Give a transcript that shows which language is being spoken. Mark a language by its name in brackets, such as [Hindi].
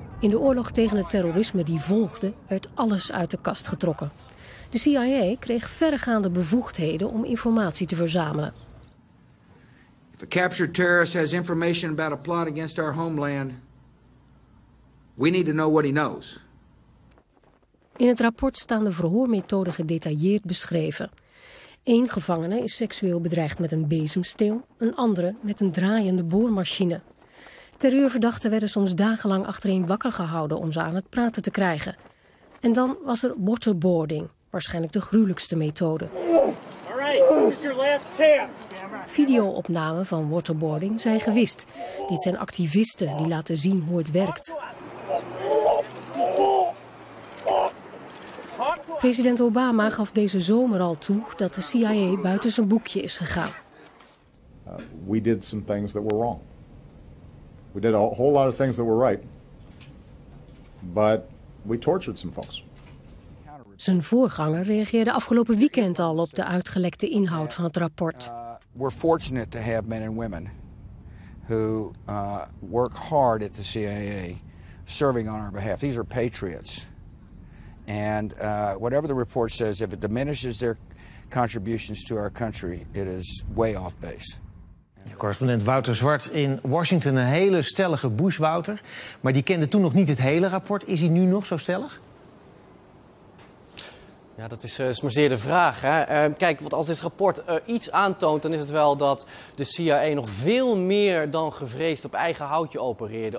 [Dutch] In de oorlog tegen het terrorisme die volgde, werd alles uit de kast getrokken. De CIA kreeg verregaande bevoegdheden om informatie te verzamelen. [English] If a captured terrorist has information about a plot against our homeland, we need to know what he knows. [Dutch] In het rapport staan de verhoormethoden gedetailleerd beschreven. Eén gevangene is seksueel bedreigd met een bezemsteel, een andere met een draaiende boormachine. Terreurverdachten werden soms dagenlang achtereen wakker gehouden om ze aan het praten te krijgen. En dan was er waterboarding, waarschijnlijk de gruwelijkste methode. Videoopnamen van waterboarding zijn gewist. Dit zijn activisten die laten zien hoe het werkt. President Obama gaf deze zomer al toe dat de CIA buiten zijn boekje is gegaan. [English] We did some things that were wrong. We did a whole lot of things that were right. But we tortured some folks. [Dutch] Zijn voorganger reageerde afgelopen weekend al op de uitgelekte inhoud van het rapport. [English] We're fortunate to have men and women who work hard at the CIA serving on our behalf. These are patriots. And whatever the report says, if it diminishes their contributions to our country, it is way off base. [Dutch] Correspondent Wouter Zwart in Washington, een hele stellige Bush, Wouter. Maar die kende toen nog niet het hele rapport. Is hij nu nog zo stellig? Ja, dat is maar zeer de vraag. Hè? Kijk, want als dit rapport iets aantoont, dan is het wel dat de CIA nog veel meer dan gevreesd op eigen houtje opereerde.